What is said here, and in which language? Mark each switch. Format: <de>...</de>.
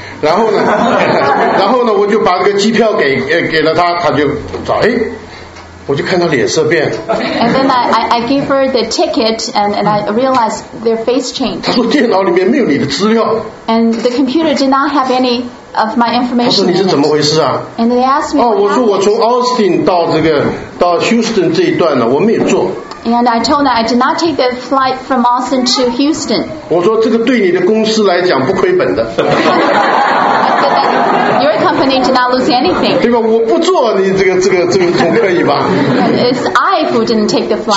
<zh>然后呢，我就把这个机票给了他，他就找，哎，我就看他脸色变了。</zh> <en>And then I gave her the ticket, and I realized their face changed.</en> <zh>他说电脑里面没有你的资料。</zh> <en>And the computer did not have any of my information.</en> <zh>他说你是怎么回事啊</zh> <en>？And they asked me.</en> <zh>哦，我说我从 Austin 到这个到 Houston 这一段呢，我没有坐。</zh> <en>And I told them I did not take the flight from Austin to Houston.</en> <zh>我说这个对你的公司来讲不亏本的。</zh> <en>Your company did not lose anything.</en> <zh>对吧？我不做，你这个总可以吧</zh> <en>？It's I who didn't take the flight.</en>